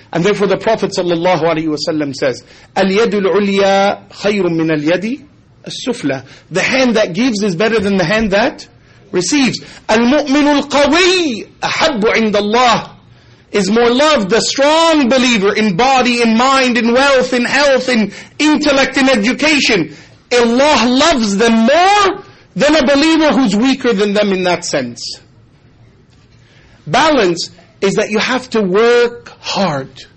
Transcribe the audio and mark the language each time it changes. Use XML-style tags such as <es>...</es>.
<en>And therefore the Prophet sallallahu alayhi wa sallam says,</en> <ar>الْيَدُ الْعُلْيَا خَيْرٌ مِّنَ الْيَدِ السُّفْلَى.</ar> <en>The hand that gives is better than the hand that receives.</en> <ar>الْمُؤْمِنُ الْقَوِي أَحَبُّ عِنْدَ اللَّهِ</ar> <en>is more loved. The strong believer in body, in mind, in wealth, in health, in intellect, in education, Allah loves them more than a believer who's weaker than them in that sense. Balance is that you have to work hard.</en>